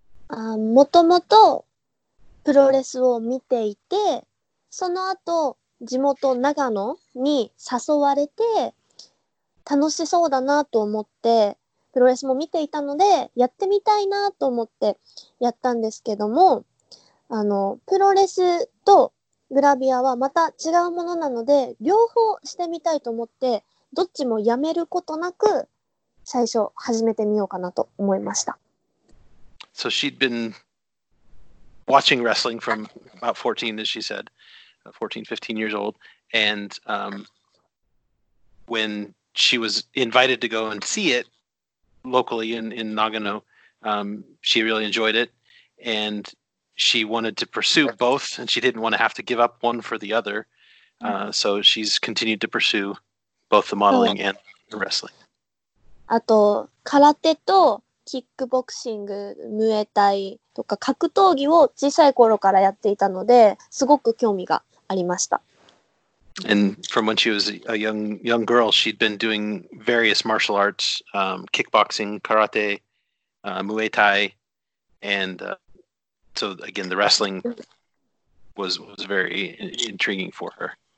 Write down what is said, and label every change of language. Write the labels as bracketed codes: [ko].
[ja] もともとプロレスを見ていて、その後地元長野に誘われて、楽しそうだなと思ってプロレスも見ていたので、やってみたいなと思ってやったんですけども、プロレスとグラビアはまた違うものなので、両方してみたいと思って、どっちもやめることなく、最初始めてみようかなと思いました。 [en] So she'd been watching wrestling from about 14, as she said, 14, 15 years old. And when she was invited to go and see it locally in Nagano, she really enjoyed it. And she wanted to pursue both, and she didn't want to have to give up one for the other. So she's continued to pursue both the modeling and the wrestling. [ja] あと、空手とキックボクシング、ムエタイとか格闘技を小さい頃からやっていたので、すごく興味がありました。 [en] And from when she was a young girl, she'd been doing various martial arts, kickboxing, karate, muay thai, and so again, the wrestling was very intriguing for her.